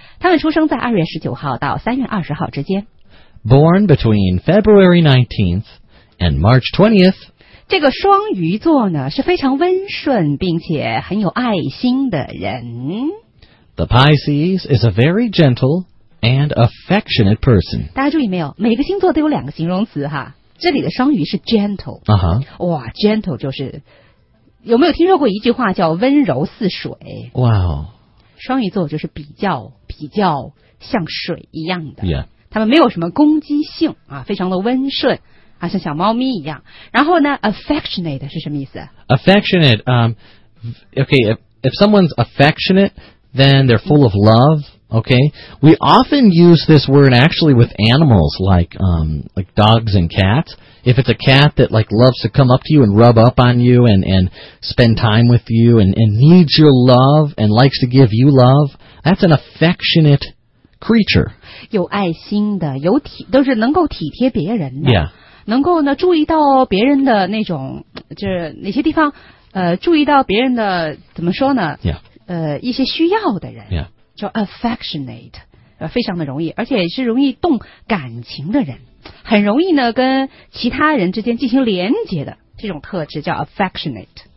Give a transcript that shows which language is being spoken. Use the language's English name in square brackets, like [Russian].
[Chinese] 他们出生在2月19号到3月20号之间。 [English] Born between February 19th and March 20th. [Chinese] 这个双鱼座呢，是非常温顺并且很有爱心的人。 [English] The Pisces is a very gentle and affectionate person. [Chinese] 大家注意没有，每个星座都有两个形容词哈。这里的双鱼是 gentle、 uh-huh. 哇 gentle 就是有没有听说过一句话叫温柔似水哇、wow. 双鱼座就是比较像水一样的、 [English] yeah. [Chinese] 他们没有什么攻击性啊，非常的温顺啊，像小猫咪一样然后呢 affectionate 是什么意思 [English] affectionate、okay, if someone's affectionate then they're full of loveOkay, we often use this word actually with animals like dogs and cats. If it's a cat that like loves to come up to you and rub up on you and spend time with you and needs your love and likes to give you love, that's an affectionate creature. [Chinese] 有爱心的，有体，都是能够体贴别人的。 [English] Yeah. [Chinese] 能够呢，注意到别人的那种，就是哪些地方，注意到别人的，怎么说呢？ [English] Yeah. [Chinese] 一些需要的人。 [English] Yeah. [Chinese] 叫 affectionate， 非常的容易，而且是容易动感情的人，很容易呢跟其他人之间进行连接的这种特质叫 affectionate。